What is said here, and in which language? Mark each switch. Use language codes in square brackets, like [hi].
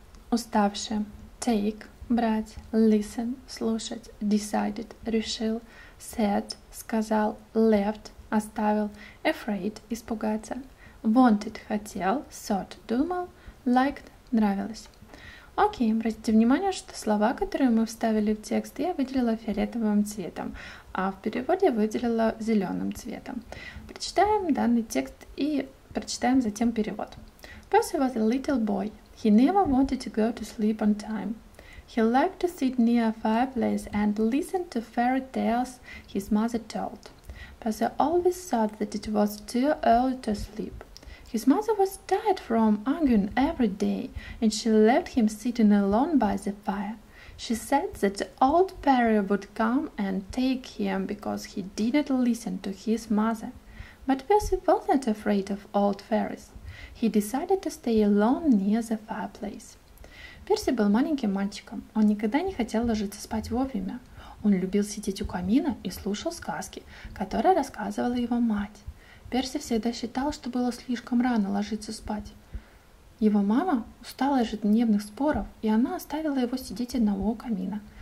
[ru] Уставший. Take. Брать. Listen. Слушать. Decided. Решил. Said. Сказал. Left. Оставил. Afraid. Испугаться. Wanted. Хотел. Thought. Думал. Liked. Нравилось. Окей, обратите внимание, что слова, которые мы вставили в текст, я выделила фиолетовым цветом, а в переводе выделила зеленым цветом. Прочитаем данный текст и прочитаем затем перевод. [en] Percy was a little boy. He never wanted to go to sleep on time. He liked to sit near a fireplace and listen to fairy tales his mother told. Percy always thought that it was too early to sleep. His mother was tired from arguing every day, and she left him sitting alone by the fire. She said that the old fairy would come and take him because he didn't listen to his mother. But Percy wasn't afraid of old fairies. He decided to stay alone near the fireplace. [ru] Percy был маленьким мальчиком. Он никогда не хотел ложиться спать вовремя. Он любил сидеть у камина и слушал сказки, которые рассказывала его мать. Перси всегда считал, что было слишком рано ложиться спать. Его мама устала от ежедневных споров, и она оставила его сидеть одного у камина.